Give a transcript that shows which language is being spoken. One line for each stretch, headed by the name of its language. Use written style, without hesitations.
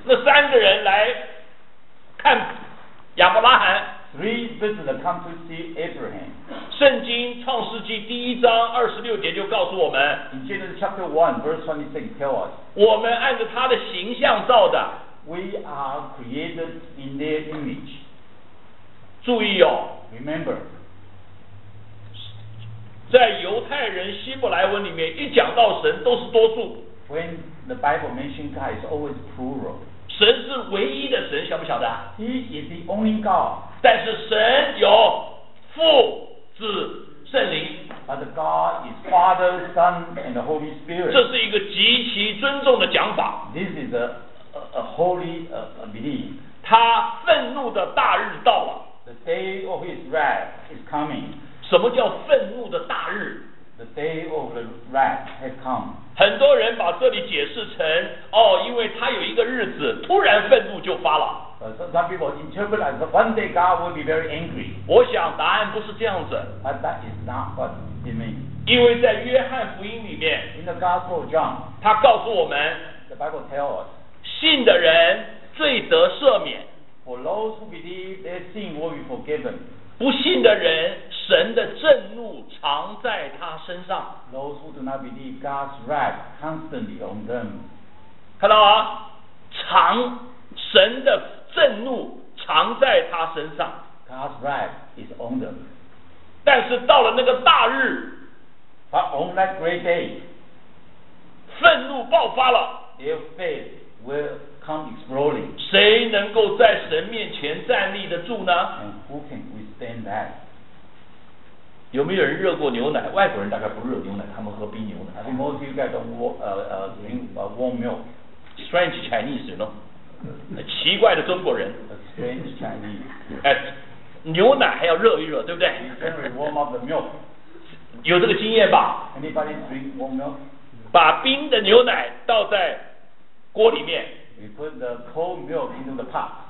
Chinese: 那三个人来看亚伯拉罕。
English: Three visitors come to see Abraham.
Chinese: 圣经创世纪第一章二十六节就告诉我们。
English: In Genesis chapter 1, verse 26, tell us.
Chinese: 我们按照他的形象造的。
English: We are created in their image.
Chinese: 注意哦。
English: Remember.
Chinese: 在犹太人希伯来文里面，一讲到神都是多数。
English: When the Bible mentions God, it's always plural.
Chinese: 神是唯一的神，晓不晓得？
English: He is the only God.
Chinese: 但是神有父、子、圣灵。
English: But God is Father, Son, and the Holy Spirit.
Chinese: 这是一个极其尊重的讲法。
English: This is a holy a belief.
Chinese: 他愤怒的大日到了。
English: The day of his wrath is coming.
Chinese: 什么叫愤怒的大日？
English: The day of the wrath has come.
Chinese: 很多人把这里解释成，哦，因为他有一个日子，突然愤怒就发了。
English: Some people interpret as one day God will be very angry.
Chinese: 我想答案不是这样子。
English: But that is not what it means.
Chinese: 因为在约翰福音里面，
English: In the Gospel of John,
Chinese: 他告诉我们，
English: The Bible tells us,
Chinese: 信的人罪得赦免。
English: For those who believe, their sin will be forgiven.
Chinese: 不信的人，神的震怒常在他身上。
English: Those who do not believe, God's wrath constantly on them.
Chinese: 看到吗？常，神的震怒常在他身上。
English: God's wrath is on them.
Chinese: 但是到了那个大日，
English: But on that great day,
Chinese: 愤怒爆发了。
English: Their faith will. Exploring.
Chinese: 谁能够在神面前站立得住呢？
English: And who can withstand that?
Chinese: 有没有人热过牛奶？外国人大概不热牛奶，他们喝冰牛奶。
English: Most of you guys don't warm milk. Strange Chinese, you know?
Chinese: 奇怪的中国人。
English: Strange Chinese.
Chinese: 牛奶还要热一热，对不对？
English: You generally warm up the milk.
Chinese: 有这个经验吧？
English: Anybody drink warm milk?
Chinese: 把冰的牛奶倒在锅里面。
English: We put the cold milk into the pot.